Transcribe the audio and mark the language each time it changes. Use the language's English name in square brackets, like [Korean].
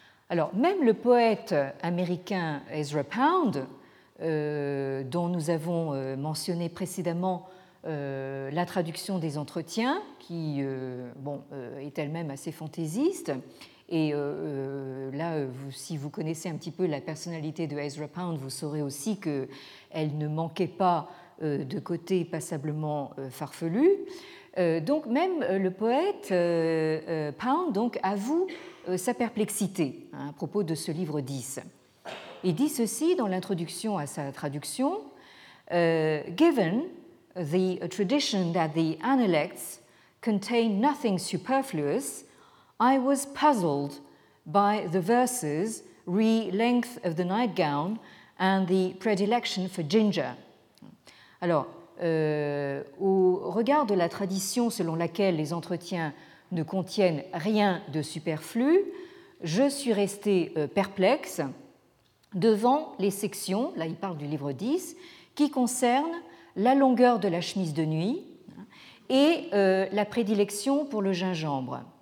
[French] Alors, même le poète américain Ezra Pound, dont nous avons mentionné précédemment la traduction des entretiens, qui est elle-même assez fantaisiste, et là, si vous connaissez un petit peu la personnalité de Ezra Pound, vous saurez aussi qu'elle ne manquait pas de côté passablement farfelu. Donc, même le poète Pound donc, avoue sa perplexité à propos de ce livre 10. Il dit ceci dans l'introduction à sa traduction. [English] Given the tradition that the Analects contain nothing superfluous, I was puzzled by the verses re-length of the nightgown and the predilection for ginger. [French] Alors, au regard de la tradition selon laquelle les entretiens ne contiennent rien de superflu, je suis restée perplexe devant les sections, là il parle du livre 10, qui concernent la longueur de la chemise de nuit et la prédilection pour le gingembre.